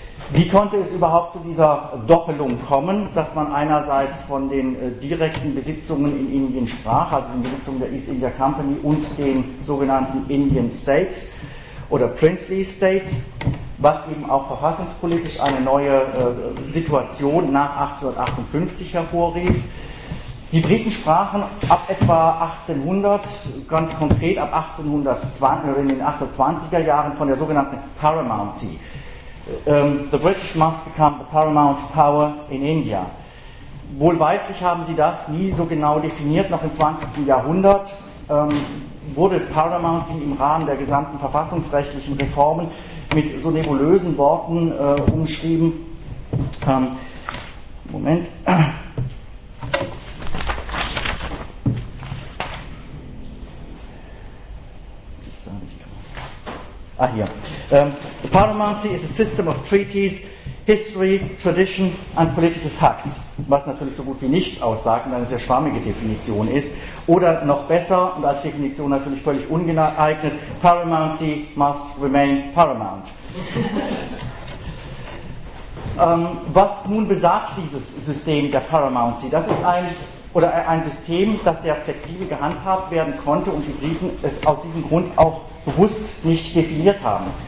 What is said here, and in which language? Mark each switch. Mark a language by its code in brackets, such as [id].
[de] Wie konnte es überhaupt zu dieser Doppelung kommen, dass man einerseits von den direkten Besitzungen in Indien sprach, also den Besitzungen der East India Company und den sogenannten Indian States oder Princely States, was eben auch verfassungspolitisch eine neue Situation nach 1858 hervorrief. Die Briten sprachen ab etwa 1800, ganz konkret ab 1820, in den 1820er Jahren von der sogenannten Paramountcy. [en] The British must become the paramount power in India. [de] Wohlweislich haben sie das nie so genau definiert, noch im 20. Jahrhundert wurde Paramountcy im Rahmen der gesamten verfassungsrechtlichen Reformen mit so nebulösen Worten umschrieben. Moment. Ah, hier. [en] The paramountcy is a system of treaties, history, tradition and political facts. [de] Was natürlich so gut wie nichts aussagt, weil es eine sehr schwammige Definition ist. Oder noch besser und als Definition natürlich völlig ungeeignet, [en] paramountcy must remain paramount. [de] was nun besagt dieses System der paramountcy? Das ist ein System, das sehr flexibel gehandhabt werden konnte und die Briten es aus diesem Grund auch bewusst nicht definiert haben.